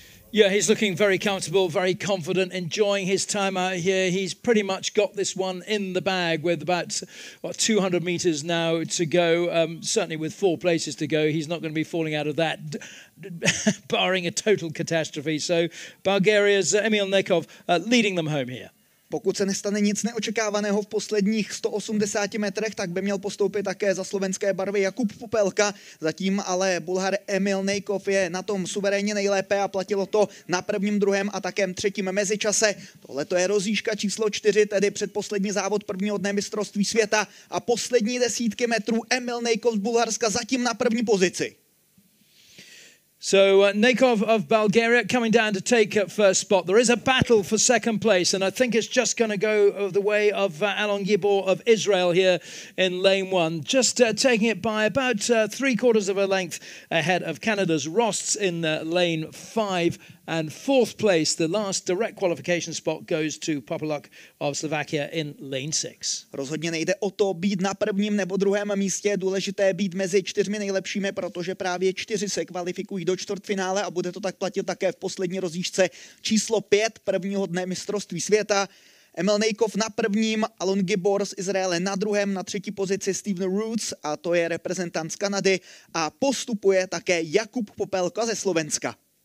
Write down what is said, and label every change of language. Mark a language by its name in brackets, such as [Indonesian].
[English] Yeah, he's looking very comfortable, very confident, enjoying his time out here. He's pretty much got this one in the bag with about 200 meters now to go, certainly with four places to go. He's not going to be falling out of that, barring a total catastrophe. So Bulgaria's Emil Nikov leading them home here. [Czech] Pokud se nestane nic neočekávaného v posledních 180 metrech, tak by měl postoupit také za slovenské barvy Jakub Popelka. Zatím ale Bulhar Emil Nikov je na tom suverénně nejlépe a platilo to na prvním, druhém a také třetím mezičase. Tohle to je rozjížka číslo 4, tedy předposlední závod prvního dne mistrovství světa a poslední desítky metrů Emil Nikov z Bulharska zatím na první pozici. [English] So Nikov of Bulgaria coming down to take first spot. There is a battle for second place, and I think it's just going to go the way of Alon Gibor of Israel here in lane one. Just taking it by about three quarters of a length ahead of Canada's Rosts in lane five. And fourth place, the last direct qualification spot goes to Popeluk of Slovakia in lane six. [Czech] Rozhodně nejde o to být na prvním nebo druhém místě, důležité být mezi čtyřmi nejlepšími, protože právě čtyři se kvalifikují do čtvrtfinále a bude to tak platit také v poslední rozjížce číslo pět prvního dne mistrovství světa. Emil Nikov na prvním, Alon Gibor z Izraele na druhém, na třetí pozici Steven Roots, a to je reprezentant z Kanady, a postupuje také Jakub Popelka ze Slovenska.